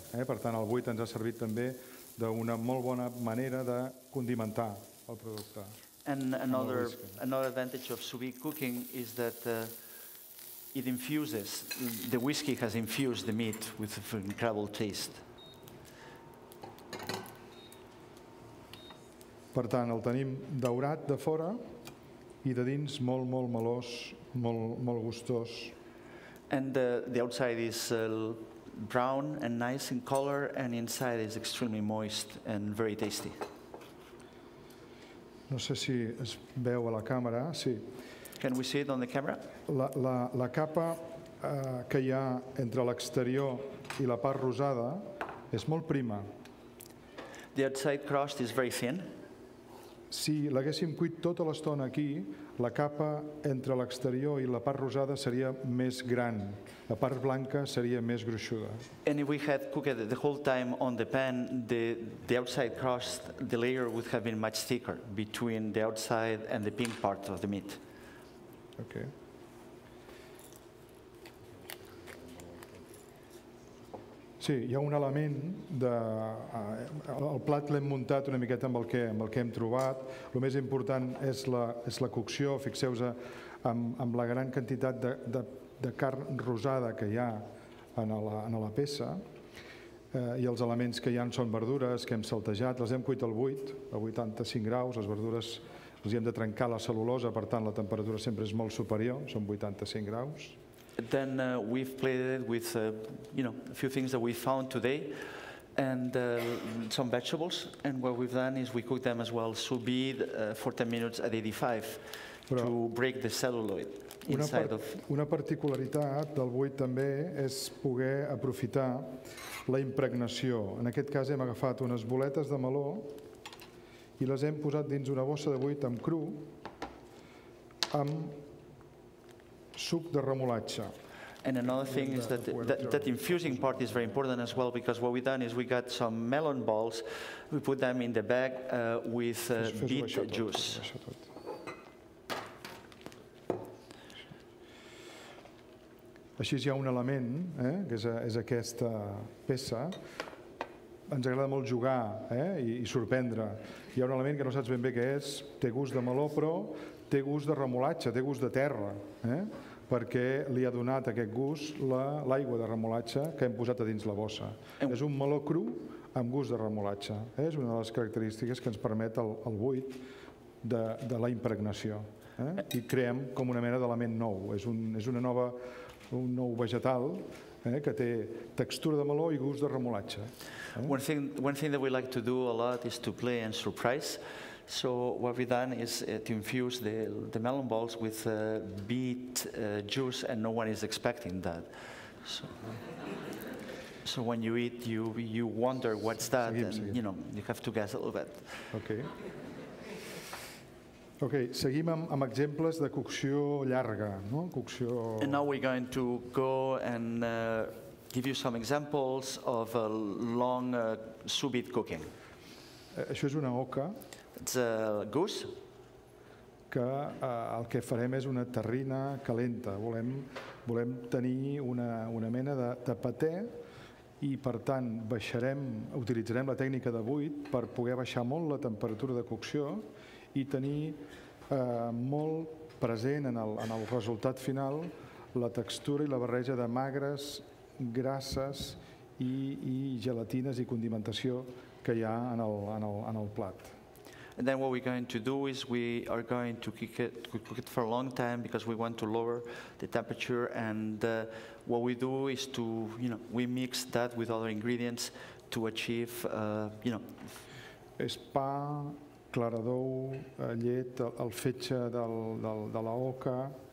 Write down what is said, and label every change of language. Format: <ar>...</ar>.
<ca>Per tant, el buit ens ha servit també d'una molt bona manera de condimentar el producte.</ca> <en>And another advantage of sous vide cooking is that it infuses, the whisky has infused the meat with an incredible taste.</en> <ca>Per tant, el tenim daurat de fora i de dins molt, molt melós, molt, molt gustós.</ca> <en>And the outside is brown and nice in color, and inside is extremely moist and very tasty.</en> <ca>No sé si es veu a la càmera, sí.</ca> <en>Can we see it on the camera?</en> <ca>La capa que hi ha entre l'exterior i la part rosada és molt prima.</ca> <en>The outside crust is very thin.</en> <ca>Si l'haguéssim cuit tota l'estona aquí, la capa entre l'exterior i la part rosada seria més gran. La part blanca seria més gruixuda.</ca> <en>And if we had cooked the whole time on the pan, the outside crust, the layer would have been much thicker between the outside and the pink part of the meat. Okay.</en> <ca>Sí, hi ha un element de... El plat l'hem muntat una miqueta amb el que hem trobat. El més important és la cocció. Fixeu-vos amb la gran quantitat de carn rosada que hi ha en la peça. I els elements que hi ha són verdures que hem saltejat. Les hem cuit al buit, a 85 graus. Les verdures els hi hem de trencar la cel·lulosa, per tant la temperatura sempre és molt superior, són 85 graus.</ca> <en>Then we've played it with, you know, a few things that we found today, and some vegetables. And what we've done is we cooked them as well sous vide for 10 minutes at 85 Però to break the celluloid inside of.</en> <ca>Una particularitat del buit també és poder aprofitar la impregnació. En aquest cas hem agafat unes boletes de meló i les hem posat dins una bossa de buit amb cru, amb suc de remolatxa.</ca> <en>And another thing is that infusing part is very important as well, because what we've done is we got some melon balls, we put them in the bag with beet juice.</en> <ca>Així hi ha un element, que és aquesta peça. Ens agrada molt jugar i sorprendre. Hi ha un element que no saps ben bé què és, té gust de meló, però té gust de remolatge, té gust de terra, perquè li ha donat aquest gust l'aigua de remolatge que hem posat a dins la bossa. És un meló cru amb gust de remolatge. És una de les característiques que ens permet el buit de la impregnació. I creem com una mena d'element nou. És una nova... un nou vegetal que té textura de meló i gust de remolatge.</ca> <en>One thing that we like to do a lot is to play and surprise. So what we've done is to infuse the melon balls with beet juice, and no one is expecting that. So when you eat, you wonder what's that,</en> <ca>seguim.</ca> <en>You know, you have to guess a little bit.</en> <ca>Okay, seguim amb exemples de cocció llarga, no? Cocció...</ca> <en>And now we're going to go and give you some examples of a long sous vide cooking.</en> <ca>Això és una oca.</ca> <en>It's a goose.</en> <ca>Que el que farem és una terrina calenta. Volem tenir una mena de paté i, per tant, utilitzarem la tècnica de buit per poder baixar molt la temperatura de cocció i tenir molt present en el resultat final la textura i la barreja de magres, grasses i gelatines i condimentació que hi ha en el plat.</ca> <en>And then what we're going to do is we are going to cook it for a long time because we want to lower the temperature, and what we do is to, you know, we mix that with other ingredients to achieve, you know.</en> <ca>És pa, clara d'ou, llet, el fetge de la oca.</ca>